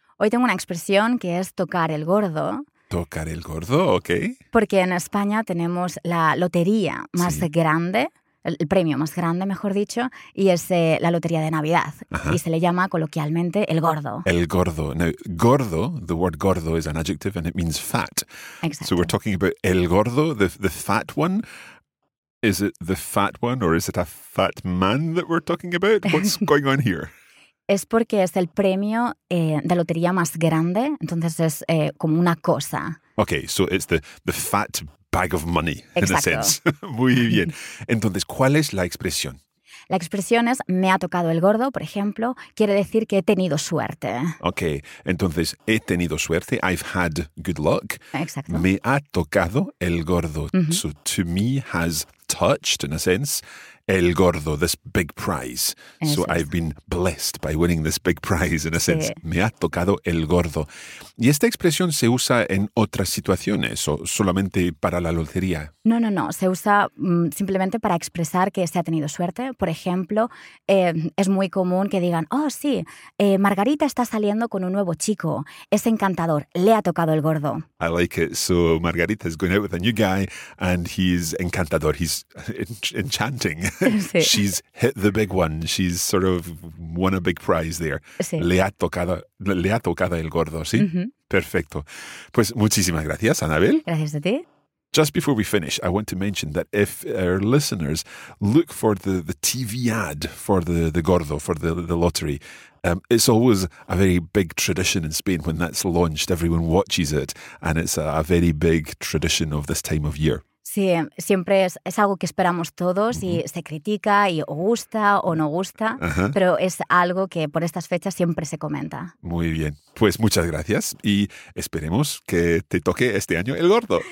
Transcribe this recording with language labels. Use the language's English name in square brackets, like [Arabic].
[Spanish] Hoy tengo una expresión que es tocar el gordo. ¿Tocar el gordo? Ok. Porque en España tenemos la lotería más sí. grande, el premio más grande, mejor dicho, y es la lotería de Navidad. Ajá. Y se le llama coloquialmente el gordo. El gordo. [English] Now, gordo, the word gordo is an adjective and it means fat. Exacto. So we're talking about el gordo, the fat one. Is it the fat one or is it a fat man that we're talking about? What's going on here? [Spanish] Es porque es el premio de lotería más grande, entonces es como una cosa. [English] Okay, so it's the fat bag of money, exacto. in a sense. [Spanish] Muy bien. Entonces, ¿cuál es la expresión? La expresión es me ha tocado el gordo, por ejemplo, quiere decir que he tenido suerte. Ok, entonces he tenido suerte, [English] I've had good luck. [Spanish] Exacto. Me ha tocado el gordo. [English] Mm-hmm. So to me has touched, in a sense, el gordo, this big prize. So I've been blessed by winning this big prize, in a sense. [Spanish] Me ha tocado el gordo. ¿Y esta expresión se usa en otras situaciones o solamente para la lotería? No. Se usa simplemente para expresar que se ha tenido suerte. Por ejemplo, es muy común que digan, oh, sí, Margarita está saliendo con un nuevo chico. Es encantador. Le ha tocado el gordo. [English] I like it. So Margarita is going out with a new guy and he's encantador. He's enchanting. [Spanish] Sí. [English] She's hit the big one. She's sort of won a big prize there. [Spanish] Sí. Le ha tocado el gordo, ¿sí? Uh-huh. Perfecto. Pues muchísimas gracias, Anabel. Gracias a ti. [English] Just before we finish, I want to mention that if our listeners look for the TV ad for the gordo, for the lottery, it's always a very big tradition in Spain when that's launched. Everyone watches it and it's a very big tradition of this time of year. [Spanish] Sí, siempre es algo que esperamos todos y se critica y o gusta o no gusta, pero es algo que por estas fechas siempre se comenta. Muy bien, pues muchas gracias y esperemos que te toque este año el gordo.